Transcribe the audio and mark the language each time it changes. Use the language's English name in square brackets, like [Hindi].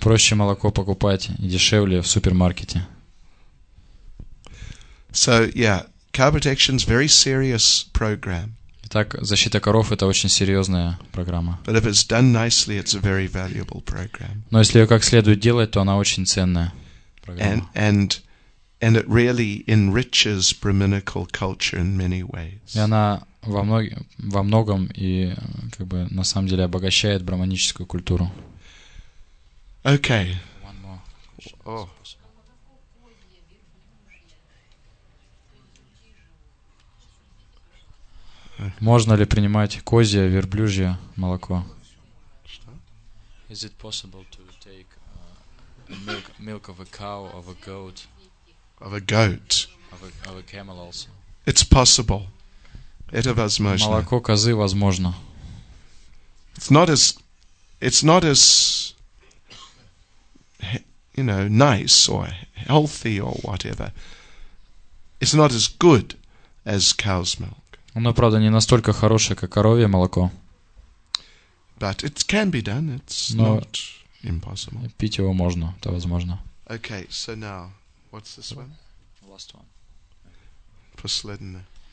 [Russian] Проще молоко покупать, дешевле в супермаркете. [English] So, yeah, cow protection is very serious program. [Russian] Итак, защита коров – это очень серьезная программа. [English] But if it's done nicely, it's a very valuable program. [Russian] Но если ее как следует делать, то она очень ценная программа. [English] And And it really enriches Brahminical culture in many ways. [Russian] И она во многом и как бы на самом деле обогащает брахманическую культуру. [English] Okay. One more. Oh. [Russian] Можно ли принимать козье, верблюжье молоко? [English] Is it possible to take milk of a cow, of a goat? Of a goat. Of a camel also. It's possible. [Russian] Это возможно. Молоко козы возможно. [English] It's not as you know, nice or healthy or whatever. It's not as good as cow's milk. [Russian] Оно, правда, не настолько хорошее, как коровье молоко. [English] But it can be done. It's not impossible. [Russian] Пить его можно, это возможно. [English] Okay, so now, what's this one? Last one. [Russian] Последнее.